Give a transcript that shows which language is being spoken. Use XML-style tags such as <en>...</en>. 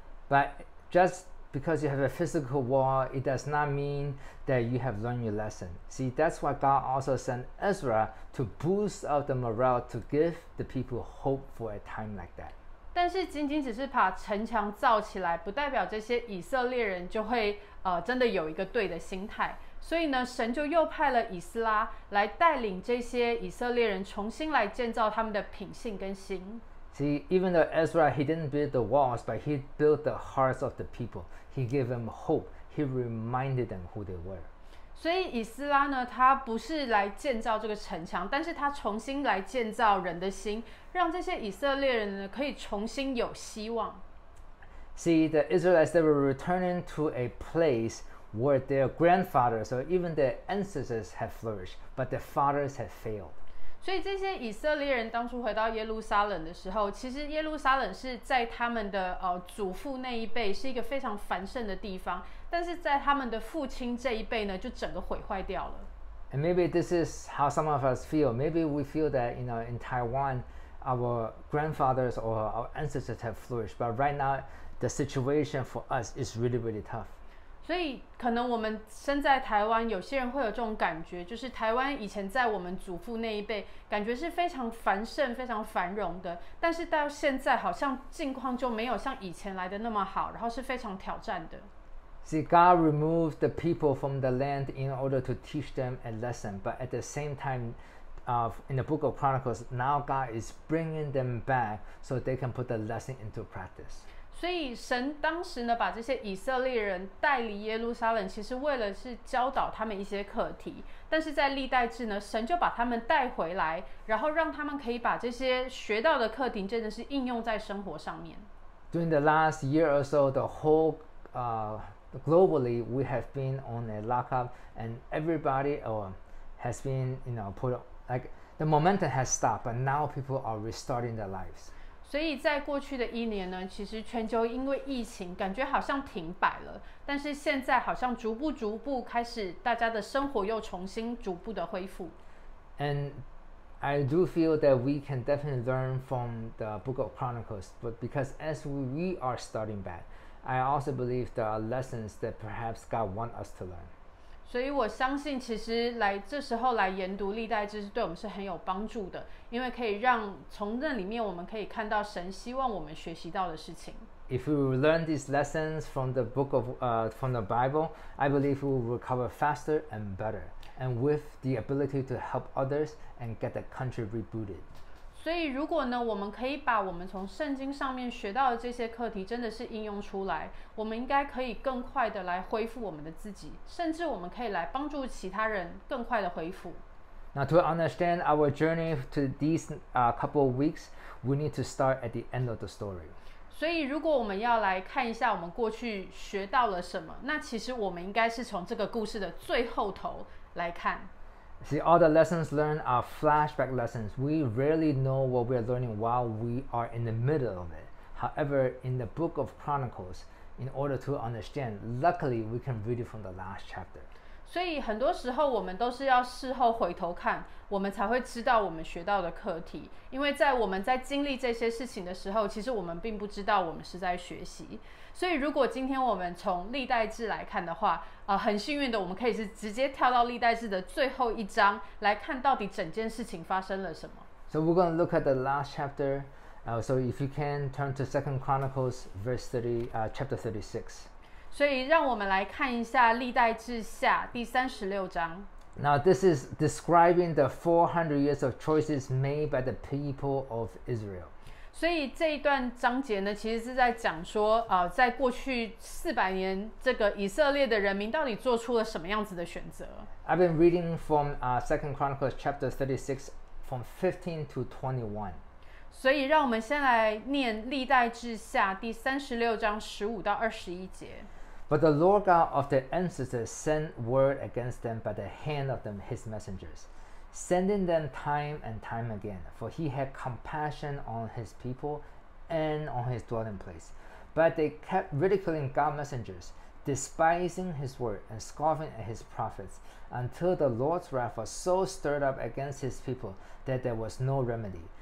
<en>But just because you have a physical wall, it does not mean that you have learned your lesson. See, that's why God also sent Ezra to boost up the morale to give the people hope for a time like that.</en> <zh>但是仅仅只是把城墙造起来，不代表这些以色列人就会真的有一个对的心态。所以呢，神就又派了以斯拉来带领这些以色列人重新来建造他们的品性跟心。</zh> <en>See, even though Ezra, he didn't build the walls, but he built the hearts of the people. He gave them hope. He reminded them who they were.</en> <zh>所以以斯拉呢，他不是来建造这个城墙，但是他重新来建造人的心，让这些以色列人呢可以重新有希望。</zh> <en>See, the Israelites, they were returning to a place where their grandfathers or even their ancestors had flourished, but their fathers had failed.</en> <zh>所以这些以色列人当初回到耶路撒冷的时候，其实耶路撒冷是在他们的祖父那一辈是一个非常繁盛的地方，但是在他们的父亲这一辈呢，就整个毁坏掉了。</zh> <en>And maybe this is how some of us feel. Maybe we feel that, you know, in Taiwan, our grandfathers or our ancestors have flourished, but right now the situation for us is really, really tough.</en> <zh>所以可能我们身在台湾，有些人会有这种感觉，就是台湾以前在我们祖父那一辈感觉是非常繁盛非常繁荣的，但是到现在好像境况就没有像以前来的那么好，然后是非常挑战的。</zh> <en>See, God removed the people from the land in order to teach them a lesson, but at the same time, in the book of Chronicles, now God is bringing them back so they can put the lesson into practice.</en> <zh>所以神当时呢把这些以色列人带离耶路撒冷，其实为了是教导他们一些课题，但是在历代志呢，神就把他们带回来，然后让他们可以把这些学到的课题真的是应用在生活上面。</zh> <en>During the last year or so, the whole globally we have been on a lockup and everybody has been, you know, put like the momentum has stopped, but now people are restarting their lives.</en> <zh>所以在过去的一年呢，其实全球因为疫情感觉好像停摆了，但是现在好像逐步逐步开始大家的生活又重新逐步的恢复。</zh> <en>And I do feel that we can definitely learn from the book of Chronicles, but because as we are starting back, I also believe there are lessons that perhaps God want us to learn.</en> <zh>所以我相信其实来这时候来研读历代志是对我们是很有帮助的，因为可以让从那里面我们可以看到神希望我们学习到的事情。</zh> <en>If we learn these lessons from the book of from the Bible, I believe we will recover faster and better, and with the ability to help others and get the country rebooted.</en> <zh>所以如果呢，我们可以把我们从圣经上面学到的这些课题真的是应用出来，我们应该可以更快的来恢复我们的自己，甚至我们可以来帮助其他人更快的恢复。</zh> <en>Now to understand our journey to these couple of weeks, we need to start at the end of the story.</en> <zh>所以如果我们要来看一下我们过去学到了什么，那其实我们应该是从这个故事的最后头来看。</zh> <en>See, all the lessons learned are flashback lessons. We rarely know what we are learning while we are in the middle of it. However, in the book of Chronicles, in order to understand, luckily we can read it from the last chapter.</en> <zh>所以很多时候我们都是要事后回头看，我们才会知道我们学到的课题，因为在我们在经历这些事情的时候，其实我们并不知道我们是在学习。所以如果今天我们从历代志来看的话，很幸运的我们可以是直接跳到历代志的最后一章来看到底整件事情发生了什么。</zh> <en>So we're going to look at the last chapter, so if you can turn to 2 Chronicles chapter 36.</en> <zh>所以让我们来看一下历代志下第36章。</zh> <en>Now this is describing the 400 years of choices made by the people of Israel.</en> <zh>所以这一段章节呢，其实是在讲说，在过去400年，这个以色列的人民到底做出了什么样子的选择。</zh> <en>I've been reading from Second Chronicles chapter 36, from 15 to 21.</en> <zh>所以让我们先来念历代志下第36章15到21节。</zh> <en>But the Lord God of their ancestors sent word against them by the hand of them, his messengers, sending them time and time again, for he had compassion on his people and on his dwelling place. But they kept ridiculing God's messengers, despising his word and scoffing at his prophets, until the Lord's wrath was so stirred up against his people that there was no remedy.</en>